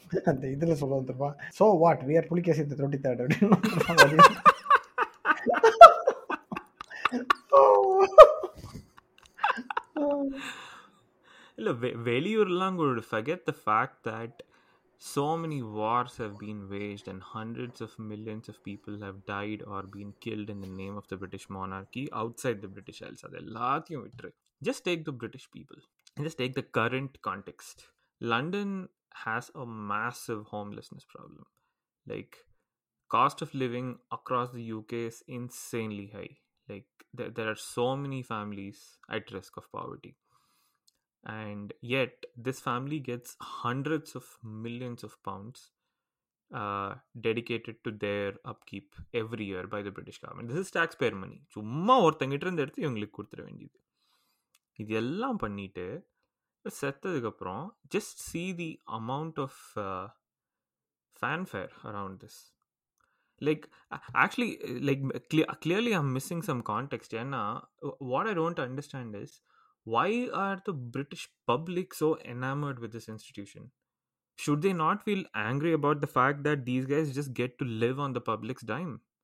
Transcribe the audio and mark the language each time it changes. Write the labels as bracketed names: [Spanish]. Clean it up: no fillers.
[Tamil] அந்த இதுல சொல்ல வந்துருப்பான் [English] so what we are [Tamil] Pulikesi the 23rd அப்படின்னு. இல்ல வெளியூர்லாம் கூட [English] forget the fact that so many wars have been waged and hundreds of millions of people have died or been killed in the name of the British monarchy outside the British Isles. [Tamil] அதெல்லாத்தையும் விட்டுரு, [English] just take the British people, just take the current context. London has a massive homelessness problem. Like cost of living across the UK is insanely high. Like there are so many families at risk of poverty, and yet this family gets hundreds of millions of pounds dedicated to their upkeep every year by the British government. This is taxpayer money. [Tamil] சும்மா ஒருத்தங்கிட்ட இருந்து எடுத்து இவங்களுக்கு கொடுத்துட வேண்டியது. இது எல்லாம் பண்ணிட்டு செத்ததுக்கப்புறம் [English] Just see the amount of fanfare around this. Like, actually, like, clearly I'm missing some context. Yeah, what I don't understand is, why are the British public so enamored with this institution? Should they not feel angry about the fact that these guys just get to live on the public's dime?